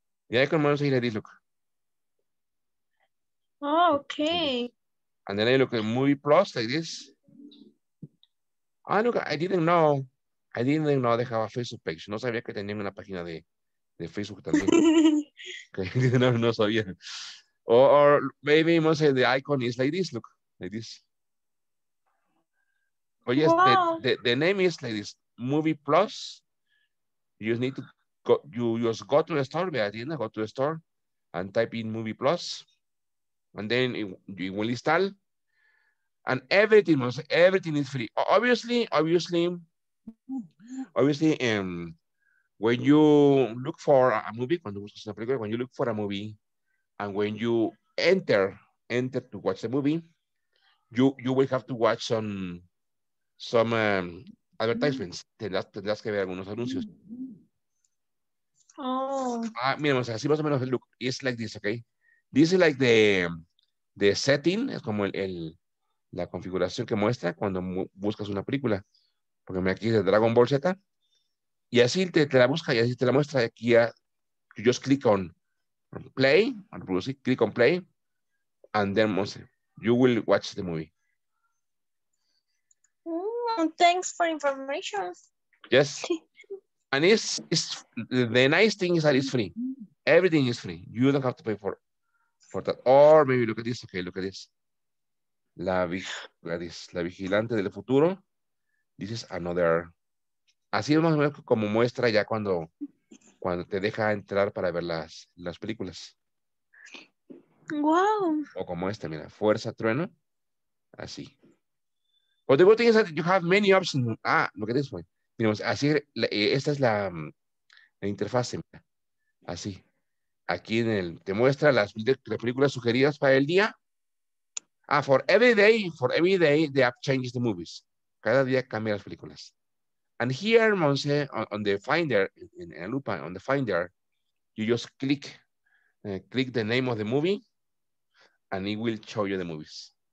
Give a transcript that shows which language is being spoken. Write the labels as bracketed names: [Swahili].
[English] The icon, Monse, here it is, look. Oh, okay. And then I look at Movie Plus like this. Ah, look, I didn't know they have a Facebook page. [Spanish] No sabía que tenían una página de Facebook también. Okay. No sabía. [English] Or maybe Monse, the icon is like this. Look, like this. Oh, yes, wow. The name is like this. Movie Plus. You need to go, you just go to the store. [Spanish] Ve a tienda, [English] go to the store and type in Movie Plus. And then you will install. And everything, Monse, everything is free. Obviously, when you look for a movie, and when you enter to watch the movie, you will have to watch some advertisements. [Spanish] Tendrás que ver algunos anuncios. Oh. Mira, o sea, así más o menos, [English] look, it's like this, okay? This is like the setting, [Spanish] es como la configuración que muestra cuando buscas una película. Porque me aquí dice Dragon Ball Z. Y así te la busca y así te la muestra. Aquí ya, [English] you just click on play, click on play, and then Monse, you will watch the movie. Thanks for information. Yes. And it's the nice thing is that it's free. Everything is free. You don't have to pay for that. Or maybe look at this. Okay, look at this. La Vigilante del Futuro. This is another. [Spanish] Así es más o menos como muestra ya cuando te deja entrar para ver las películas. Wow. O como esta, mira, Fuerza Trueno. Así. [English] But the good thing is that you have many options. Ah, look at this one. [Spanish] Mira, así, esta es la interfase. Mira. Así. Aquí en el te muestra las películas sugeridas para el día. [English] Ah, for every day, the app changes the movies. [Spanish] Cada día cambia las películas. [English] And here, Monse, on the Finder, in Lupa, on the Finder, you just click the name of the movie, and it will show you the movies.